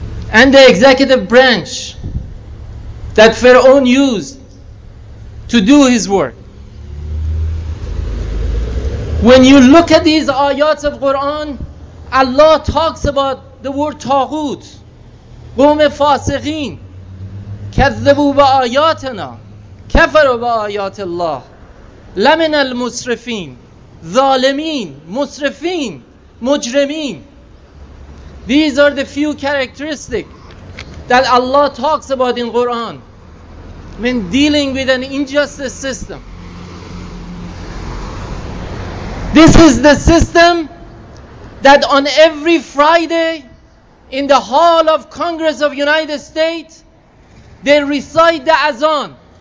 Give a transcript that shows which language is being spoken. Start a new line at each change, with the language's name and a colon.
English: And the executive branch that Pharaoh used to do his work. When you look at these ayats of Quran, Allah talks about the word taghut.
Arabic: قوم فاسقين كذبوا بآياتنا كفروا بآيات الله لمن المسرفين ظالمين مسرفين مجرمين.
English: These are the few characteristics that Allah talks about in Quran when dealing with an injustice system. This is the system that on every Friday in the Hall of Congress of United States, they recite the Azan.